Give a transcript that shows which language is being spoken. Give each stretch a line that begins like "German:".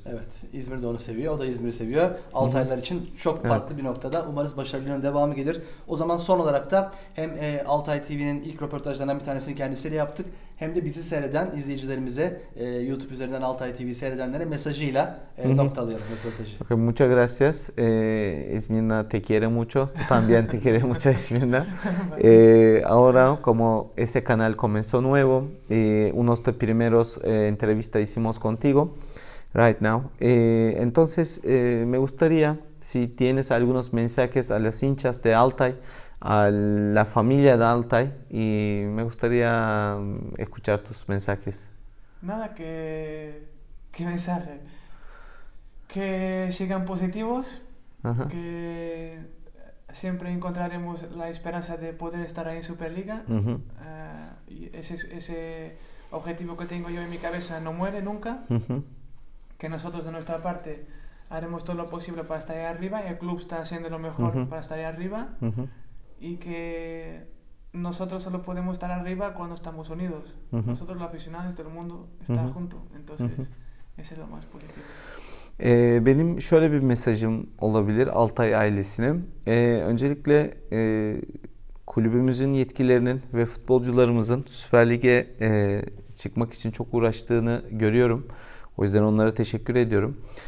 Turkish: Evet, İzmir de onu seviyor, o da İzmir'i seviyor. Altaylılar için çok farklı bir noktada. Umarız başarılarının devamı gelir. O zaman son olarak da hem Altay TV'nin ilk röportajlarından bir tanesini kendisiyle yaptık. Hem de bizi seyreden izleyicilerimize, YouTube üzerinden Altay TV'yi seyredenlere mesajıyla noktalayalım
Spanish: Okay, muchas gracias. Esmirna te quiere mucho. Tú también te quieres mucho, Esmirna.
Turkish: röportajı.
Spanish: Ahora, como ese canal comenzó nuevo, unos de primeros entrevistas hicimos contigo,
English: right now.
Spanish: Entonces, me gustaría, si tienes algunos mensajes a los hinchas de Altay, a la familia de Altay, y me gustaría escuchar tus mensajes. Nada, que mensaje. Que sigan positivos, que siempre encontraremos la esperanza de poder estar ahí en Superliga. Y ese objetivo que tengo yo en mi cabeza no muere nunca. Que nosotros de nuestra parte haremos todo lo posible para estar ahí arriba, y el club está haciendo lo mejor para estar ahí arriba. Y que nosotros solo podemos estar arriba cuando estamos unidos. Nosotros, los aficionados, todo el mundo está junto. Entonces, ese es lo más positivo.
Turkish: Benim şöyle bir mesajım olabilir Altay ailesine. Öncelikle kulübümüzün yetkililerinin ve futbolcularımızın Süper Lig'e çıkmak için çok uğraştığını görüyorum. O yüzden onlara teşekkür ediyorum.